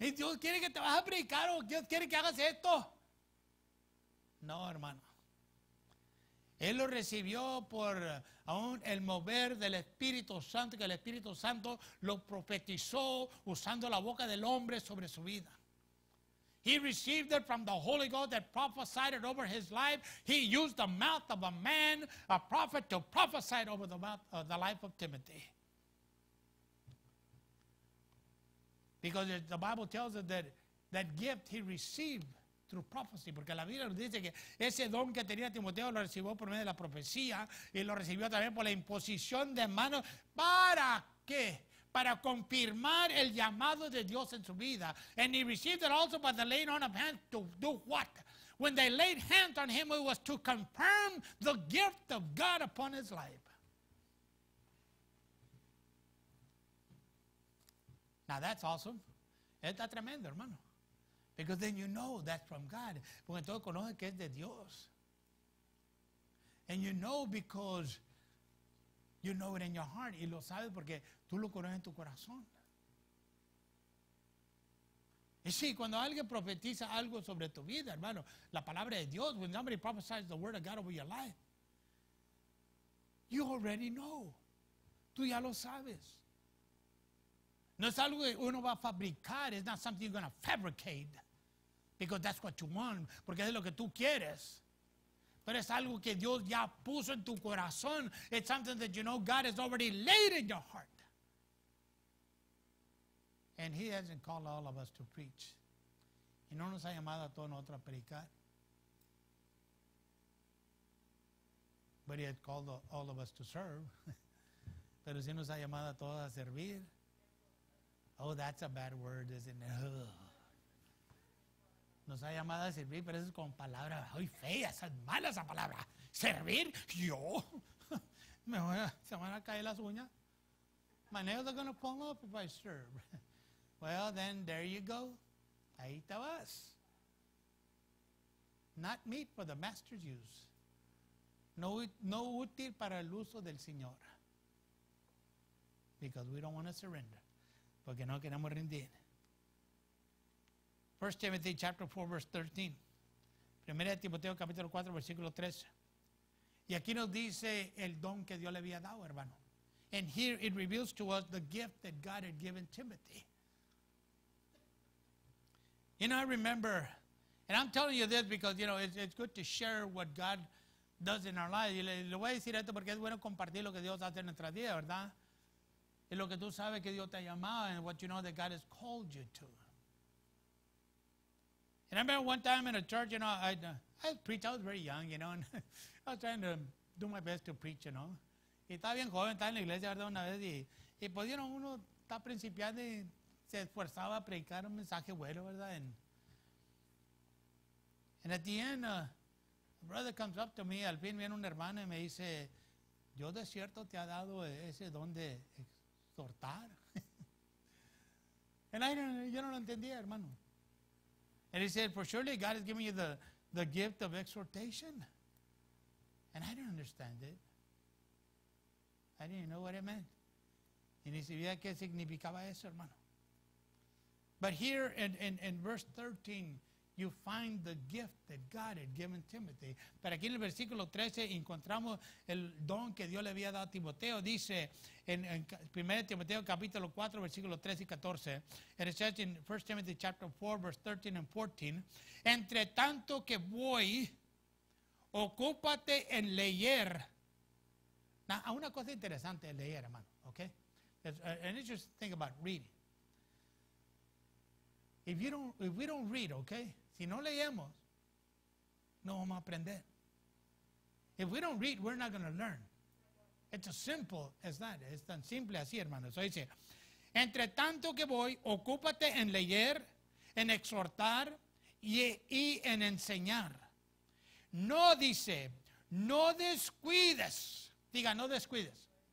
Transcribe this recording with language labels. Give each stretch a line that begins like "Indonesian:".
Spanish: Dios quiere que te vas a predicar o Dios quiere que hagas esto. No, hermano. Él lo recibió por aún el mover del Espíritu Santo, que el Espíritu Santo lo profetizó usando la boca del hombre sobre su vida.
English: He received it from the Holy Ghost that prophesied it over his life. He used the mouth of a man, a prophet, to prophesy it over the life of Timothy. Because the Bible tells us that gift he received through prophecy,
Spanish: porque la Biblia nos dice que ese don que tenía Timoteo lo recibió por medio de la profecía y lo recibió también por la imposición de manos. ¿Para qué? Para confirmar el llamado de Dios en su vida.
English: And he received it also by the laying on of hands to do what? When they laid hands on him, it was to confirm the gift of God upon his life. Now that's awesome.
Spanish: Está tremendo, hermano.
English: Because then you know that's from God.
Spanish: Porque todo conoce que es de Dios.
English: And you know because you know it in your heart.
Spanish: Y lo sabes porque tú lo conoces en tu corazón. Y sí, cuando alguien profetiza algo sobre tu vida, hermano, la palabra de Dios,
English: when somebody prophesies the word of God over your life, you already know.
Spanish: Tú ya lo sabes. No es algo que uno va a fabricar.
English: It's not something you're going to fabricate. Because that's what you want.
Spanish: Porque es lo que tú quieres. Pero es algo que Dios ya puso en tu corazón.
English: It's something that you know God has already laid in your heart. And he hasn't called all of us to preach.
Spanish: Y no nos ha llamado a todos nosotros a predicar.
English: But he has called all of us to serve.
Spanish: Pero sí nos ha llamado a todos a servir.
English: Oh, that's a bad word, isn't it?
Spanish: Nos ha llamado a servir, pero eso es con palabras muy feas, malas esa palabra. ¿Servir? ¿Yo? ¿Se me van a caer las uñas?
English: My nails are going to fall off if I serve. Well, then, there you go.
Spanish: Ahí te vas.
English: Not meat for the master's use.
Spanish: No útil para el uso del Señor.
English: Because we don't want to surrender.
Spanish: Porque no queremos rendir.
English: 1 Timothy chapter 4, verse 13.
Spanish: 1 Timoteo capítulo 4, versículo 13. Y aquí nos dice el don que Dios le había dado, hermano.
English: And here it reveals to us the gift that God had given Timothy. You know, I remember, and I'm telling you this because, you know, it's good to share what God does in our lives.
Spanish: Y le voy a decir esto porque es bueno compartir lo que Dios hace en nuestra vida, ¿verdad? Y lo que tú sabes que Dios te ha llamado,
English: and what you know that God has called you to. And I remember one time in a church, you know, I preached, I was very young, you know, and I was trying to do my best to preach, you know.
Spanish: Y estaba bien joven, estaba en la iglesia, ¿verdad? Una vez, y pues, you know, uno está principiando y se esforzaba a predicar un mensaje bueno, ¿verdad?
English: And at the end, a brother comes up to me,
Spanish: al fin viene un hermano y me dice, yo de cierto te ha dado ese don de exhortar. And yo no lo entendía, hermano.
English: And he said, for surely God has given you the gift of exhortation. And I didn't understand it. I didn't know what it meant.
Spanish: Y ni sabía qué significaba eso, hermano.
English: But here in verse 13, you find the gift that God had given Timothy.
Spanish: Pero aquí en el versículo 13 encontramos el don que Dios le había dado a Timoteo. Dice en 1 Timoteo capítulo 4, versículo 13 y 14.
English: And it says in 1 Timothy chapter 4, verse 13 and 14.
Spanish: Entre tanto que voy, ocúpate en leer. Now, una cosa interesante es leer, hermano. Okay?
English: And it's just think about reading. If we don't read, okay?
Spanish: Si no leemos, no vamos a aprender.
English: If we don't read, we're not going to learn. It's as simple as that.
Spanish: Es tan simple así, hermano. So dice, entre tanto que voy, ocúpate en leer, en exhortar y en enseñar. No dice, no descuides. Diga, no descuides.